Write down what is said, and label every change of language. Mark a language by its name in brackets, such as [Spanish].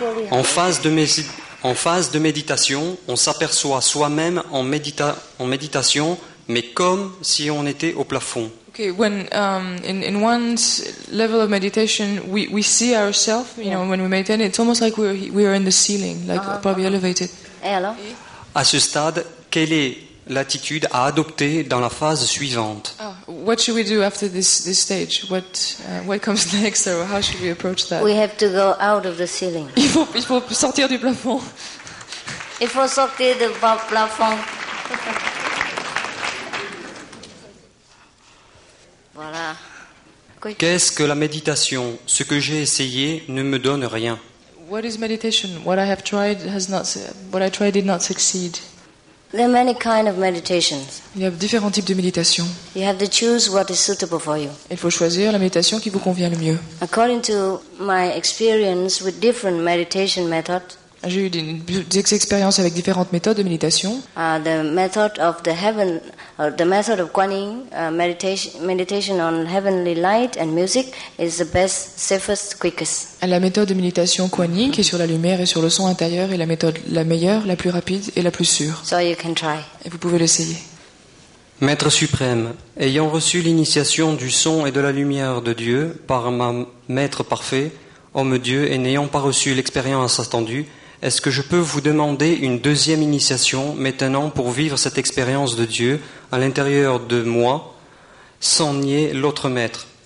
[French] En phase de méditation, on s'aperçoit soi-même en méditation, mais comme si on était au plafond. [English] Okay, when in one level of meditation, we see ourselves. You know, when we meditate, it's almost like we are in the ceiling, like probably elevated. [French] Et alors? À ce stade, quelle est l'attitude à adopter dans la phase suivante? [English] What should we do after this stage? What comes next, or how should we approach that? We have to go out of the ceiling. [French] Il faut sortir du plafond. Il faut sortir du plafond. Voilà. Qu'est-ce que la méditation? Ce que j'ai essayé ne me donne rien. [English] What is meditation? What I have tried has not. What I tried did not succeed. There are many kinds of meditations. [French] Il y a différents types de méditation. [English] You have to choose what is suitable for you. [French] Il faut choisir la méditation qui vous convient le mieux. [English] According to my experience with different meditation methods, [French] j'ai eu des expériences avec différentes méthodes de méditation. [English] The method of the heaven, the method of Guan Yin, meditation on heavenly light and music is the best, safest, quickest. [French] La méthode de méditation Guan Yin, qui est sur la lumière et sur le son intérieur, est la méthode la meilleure, la plus rapide et la plus sûre. [English] So you can try. [French] Et vous pouvez l'essayer. Maître suprême, ayant reçu l'initiation du son et de la lumière de Dieu par ma maître parfait, homme Dieu, et n'ayant pas reçu l'expérience attendue, est-ce que je peux vous demander une deuxième initiation maintenant pour vivre cette expérience de Dieu à l'intérieur de moi sans nier l'autre maître?